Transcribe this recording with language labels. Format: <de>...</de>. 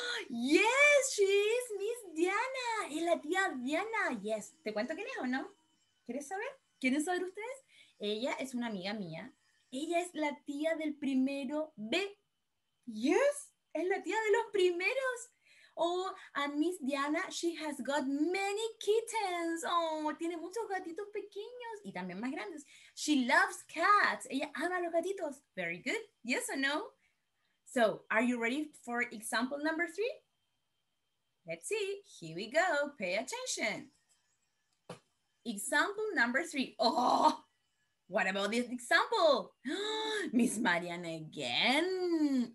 <en>Yes, she is Miss Diana.</en> <es>Es la tía Diana. Yes. ¿Te cuento quién es o no? ¿Quieres saber? ¿Quieren saber ustedes? Ella es una amiga mía. Ella es la tía del primero B. Yes. Es la tía de los primeros.</es> <en>Oh, and Miss Diana, she has got many kittens.</en> <es>Oh, tiene muchos gatitos pequeños y también más grandes.</es> <en>She loves cats.</en> <es>Ella ama los gatitos.</es> <en>Very good. Yes or no? So, are you ready for example number three? Let's see. Here we go. Pay attention. Example number three. Oh, what about this example? Miss Mariana again.</en>